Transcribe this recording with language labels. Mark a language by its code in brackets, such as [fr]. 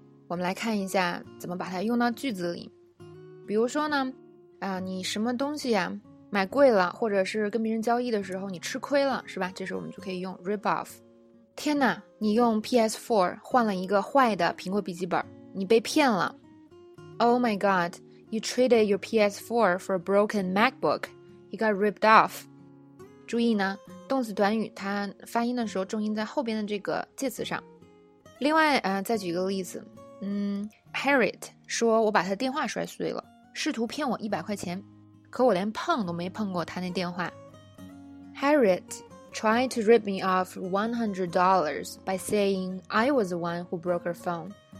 [zh] 我们来看一下怎么把它用到句子里。比如说呢，你什么东西呀，买贵了，或者是跟别人交易的时候你吃亏了，是吧？这时候我们就可以用 rip off。天哪，你用 PS4 换了一个坏的苹果笔记本，你被骗了。 [en] Oh my god, you traded your PS4 for a broken MacBook. You got ripped off. [zh] 注意呢，动词短语它发音的时候重音在后边的这个介词上。另外，再举一个例子，Harriet 说我把他电话摔碎了，试图骗我100块钱，可我连碰都没碰过他那电话。 [en] Harriet. Try to rip me off $100 by saying I was the one who broke her phone.